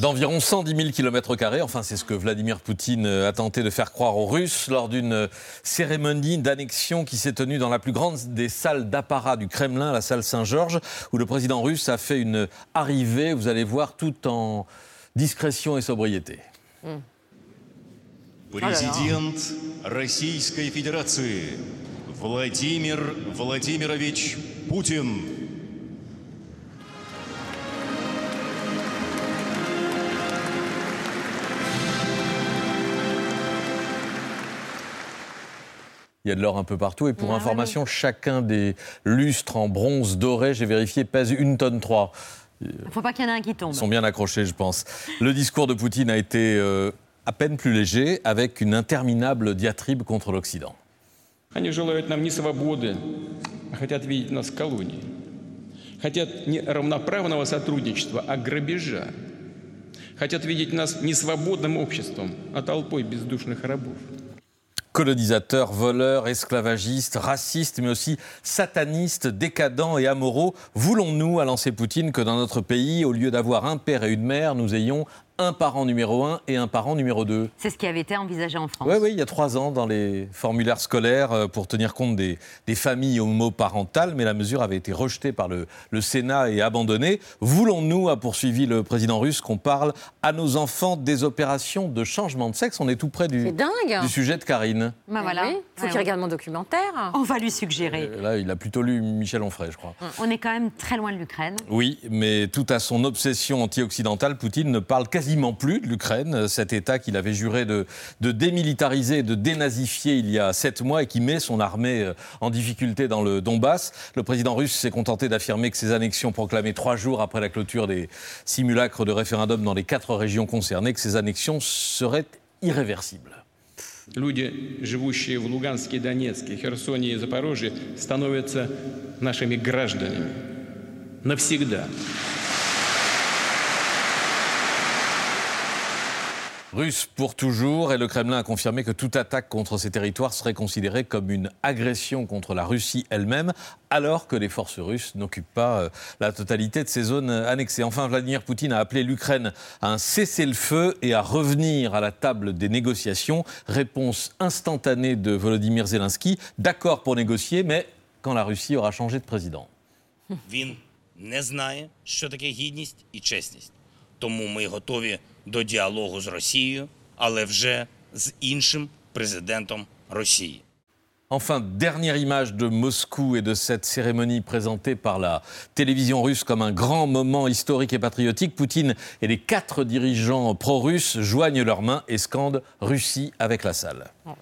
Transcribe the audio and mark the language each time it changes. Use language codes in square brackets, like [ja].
[fr] D'environ 110 000 km², enfin c'est ce que Vladimir Poutine a tenté de faire croire aux Russes lors d'une cérémonie d'annexion qui s'est tenue dans la plus grande des salles d'apparat du Kremlin, la salle Saint-Georges, où le président russe a fait une arrivée, vous allez voir, tout en discrétion et sobriété. [ru] Président Российской Федерации Владимир Владимирович Путин. [fr] Il y a de l'or un peu partout et pour information, chacun des lustres en bronze doré, j'ai vérifié, pèse 1,3 tonne. Il ne faut pas qu'il y en ait un qui tombe. Ils sont bien accrochés, je pense. Le discours de Poutine a été à peine plus léger, avec une interminable diatribe contre l'Occident. [ru] Они желают нам не свободы, а хотят видеть нас колонией. Хотят не равноправного сотрудничества, а грабежа. Хотят видеть нас не свободным обществом, а толпой бездушных рабов. [fr] Colonisateurs, voleurs, esclavagistes, racistes, mais aussi satanistes, décadents et amoraux, voulons-nous, a lancé Poutine, que dans notre pays, au lieu d'avoir un père et une mère, nous ayons un parent numéro 1 et un parent numéro 2? C'est ce qui avait été envisagé en France. Oui, oui, il y a 3 ans, dans les formulaires scolaires, pour tenir compte des familles homoparentales, mais la mesure avait été rejetée par le Sénat et abandonnée. Voulons-nous, a poursuivi le président russe, qu'on parle à nos enfants des opérations de changement de sexe? On est tout près du sujet de Karine. Bah voilà. Oui. Faut qu'il regarde mon documentaire. On va lui suggérer. Là, il a plutôt lu Michel Onfray, je crois. On est quand même très loin de l'Ukraine. Oui, mais tout à son obsession anti-occidentale, Poutine ne parle quasiment plus de l'Ukraine, cet État qu'il avait juré de démilitariser, de dénazifier il y a 7 mois et qui met son armée en difficulté dans le Donbass. Le président russe s'est contenté d'affirmer que ces annexions proclamées 3 jours après la clôture des simulacres de référendum dans les 4 régions concernées, que ces annexions seraient irréversibles. [ru] Люди, живущие в Луганске, Донецке, Херсоне и Запорожье, становятся нашими гражданами навсегда. [fr] Russe pour toujours, et le Kremlin a confirmé que toute attaque contre ces territoires serait considérée comme une agression contre la Russie elle-même, alors que les forces russes n'occupent pas la totalité de ces zones annexées. Enfin, Vladimir Poutine a appelé l'Ukraine à un cessez-le-feu et à revenir à la table des négociations. Réponse instantanée de Volodymyr Zelensky, d'accord pour négocier, mais quand la Russie aura changé de président. [uk] Він не знає, що таке гідність і чесність. Тому ми готові до діалогу з Росією, але вже з іншим президентом Росії. [fr] Enfin, dernière image de Moscou et de cette cérémonie présentée par la télévision russe comme un grand moment historique et patriotique. Poutine et les 4 dirigeants pro-russes joignent leurs mains et scandent « Russie » avec la salle.